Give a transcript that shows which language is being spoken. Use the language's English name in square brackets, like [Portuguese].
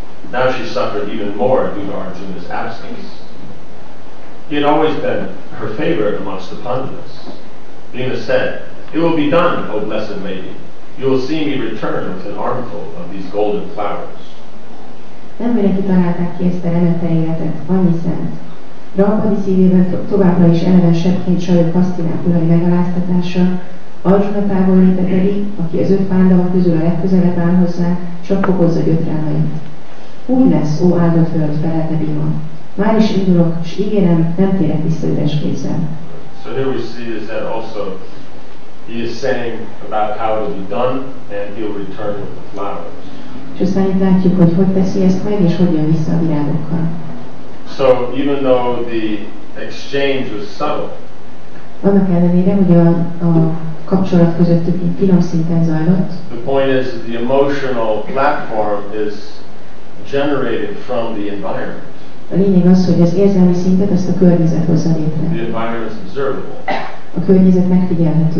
[English] Now she suffered even more due to Arjuna's absence. He had always been her favorite amongst the Pandavas. Bhima said, "It will be done, O blessed lady. You will see me return with an armful of these golden flowers." [Hungarian] Nem mire kitalálták ki ezt a remeteljetet, annyi szent. Rambani szívében továbbra is eleven sebként sajó Hasztinápurai megaláztatása, Arjuna távol léte pedig, aki az öt Pandava közül a legközelebb áll hozzá, csak fokozza gyötrelmeit. Úgy lesz, ó áldott hölgy, felelte Bhima. Már is indulok, s ígérem, nem térek vissza üres kézzel. [English] So here we see is that also he is saying about how it will be done, and he will return with the flowers. [Hungarian] És aztán látjuk, hogy hogy teszi ezt meg, és hogy jön vissza a virágokkal. [English] So even though the exchange was subtle, [Hungarian] annak ellenére, hogy a kapcsolat közöttük egy finom szinten zajlott, [English] the point is the emotional platform is generated from the environment. [Hungarian] A lényeg az, hogy az érzelmi szintet ezt a környezet hozza létre. [English] The environment is observable. [Hungarian] A környezet megfigyelhető.